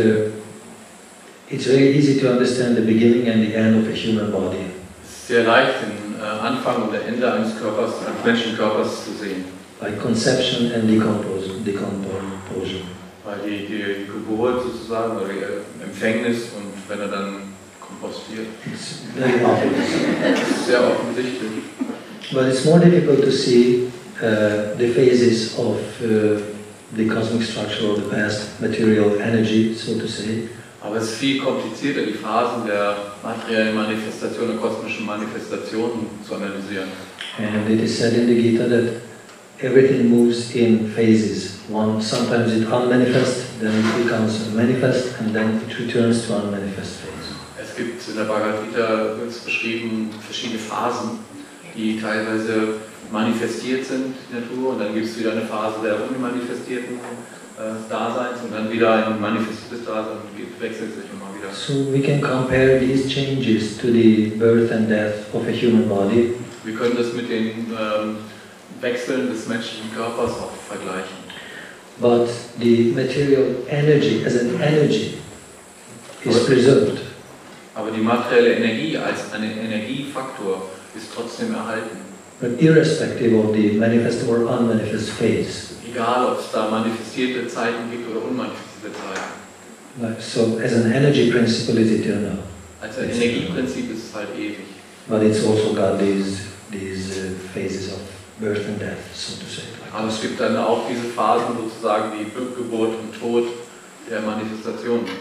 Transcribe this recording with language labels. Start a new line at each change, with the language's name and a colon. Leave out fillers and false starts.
English: Because it's very easy to understand the beginning and the end of a human body.
German: Sehr leicht, den Anfang und der Ende eines Körpers, eines Menschenkörpers zu sehen.
English: By conception and decomposition.
German: Weil die Geburt sozusagen oder die Empfängnis und wenn er dann
English: But it's more difficult to see the phases of the cosmic structure of the past material energy, so to say.
German: Aber es ist viel komplizierter, die Phasen der materiellen Manifestation, der kosmischen Manifestation zu analysieren.
English: And it is said in the Gita that everything moves in phases. One, sometimes it unmanifests, then it becomes manifest, and then it returns to unmanifest phase.
German: Es gibt in der Bhagavad Gita beschrieben verschiedene Phasen, die teilweise manifestiert sind in der Natur und dann gibt es wieder eine Phase der unmanifestierten Daseins und dann wieder ein manifestiertes Dasein und wechselt sich immer wieder.
English: So we can compare these changes to the birth and death of a human body.
German: Wir können das mit den Wechseln des menschlichen Körpers auch vergleichen.
English: But the material energy as an energy is preserved.
German: Aber die materielle Energie als ein Energiefaktor ist trotzdem erhalten.
English: But irrespective of the manifest or unmanifest phase.
German: Egal, ob es da manifestierte Zeiten gibt oder unmanifestierte Zeiten.
English: So, as an energy principle, is eternal.
German: Als ein Energieprinzip ist es halt ewig.
English: But it's also got these phases of birth and death, so to say. Like
German: aber es gibt dann auch diese Phasen sozusagen wie Geburt und Tod der Manifestation.